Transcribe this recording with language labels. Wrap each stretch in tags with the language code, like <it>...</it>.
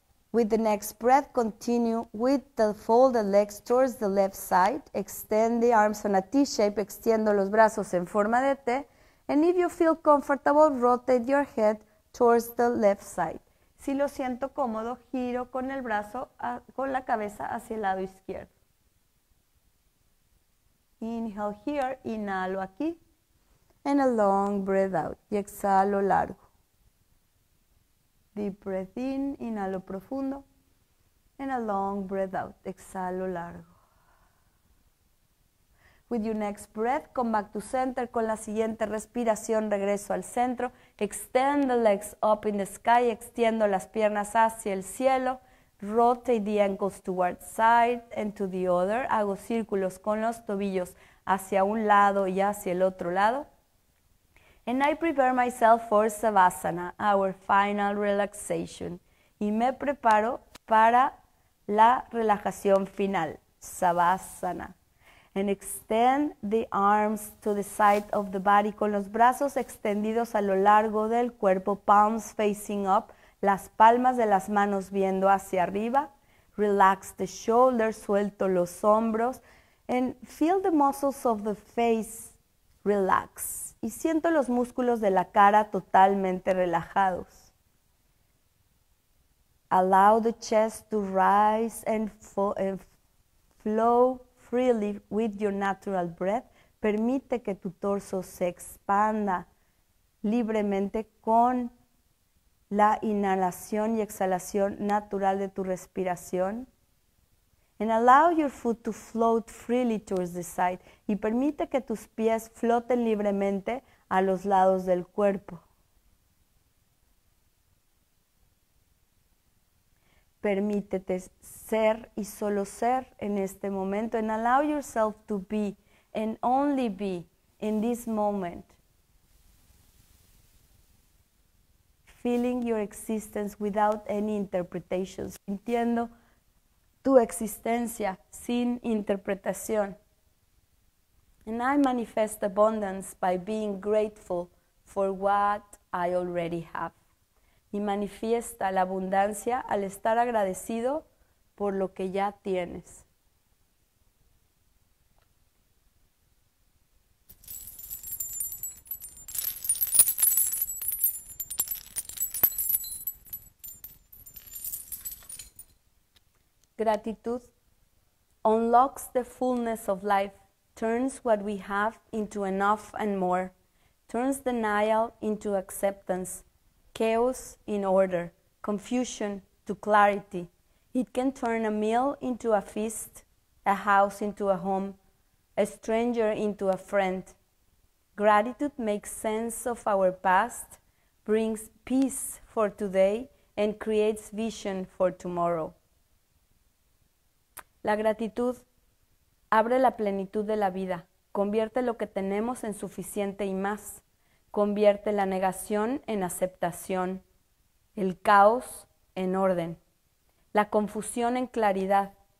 <en>With the next breath, continue with the folded legs towards the left side. Extend the arms on a T-shape,</en> <es>extiendo los brazos en forma de T.</es> <en>And if you feel comfortable, rotate your head towards the left side.</en> <es>Si lo siento cómodo, giro con el brazo, con la cabeza hacia el lado izquierdo.</es> <en>Inhale here,</en> <es>inhalo aquí.</es> <en>And a long breath out,</en> <es>y exhalo largo.</es> <en>Deep breath in,</en> <es>inhalo profundo,</es> <en>and a long breath out,</en> <es>exhalo largo.</es> <en>With your next breath, come back to center,</en> <es>con la siguiente respiración, regreso al centro,</es> <en>extend the legs up in the sky,</en> <es>extiendo las piernas hacia el cielo,</es> <en>rotate the ankles towards side and to the other,</en> <es>hago círculos con los tobillos hacia un lado y hacia el otro lado.</es> <en>And I prepare myself for Savasana, our final relaxation.</en> <es>Y me preparo para la relajación final, Savasana.</es> <en>And extend the arms to the side of the body,</en> <es>con los brazos extendidos a lo largo del cuerpo,</es> <en>palms facing up,</en> <es>las palmas de las manos viendo hacia arriba.</es> <en>Relax the shoulders,</en> <es>suelto los hombros.</es> <en>And feel the muscles of the face relax.</en> <es>Y siento los músculos de la cara totalmente relajados.</es> <en>Allow the chest to rise and flow freely with your natural breath.</en> <es>Permite que tu torso se expanda libremente con la inhalación y exhalación natural de tu respiración.</es> <en>And allow your foot to float freely towards the side.</en> <es>Y permite que tus pies floten libremente a los lados del cuerpo. Permítete ser y solo ser en este momento.</es> <en>And allow yourself to be and only be in this moment. Feeling your existence without any interpretations.</en> <es>Sintiendo tu existencia sin interpretación.</es> <en>And I manifest abundance by being grateful for what I already have.</en> <es>Y manifiesta la abundancia al estar agradecido por lo que ya tienes.</es> <en>Gratitud unlocks the fullness of life, turns what we have into enough and more, turns denial into acceptance, chaos in order, confusion to clarity. It can turn a meal into a feast, a house into a home, a stranger into a friend. Gratitude makes sense of our past, brings peace for today, and creates vision for tomorrow.</en> <es>La gratitud abre la plenitud de la vida, convierte lo que tenemos en suficiente y más. Convierte la negación en aceptación, el caos en orden, la confusión en claridad.</es>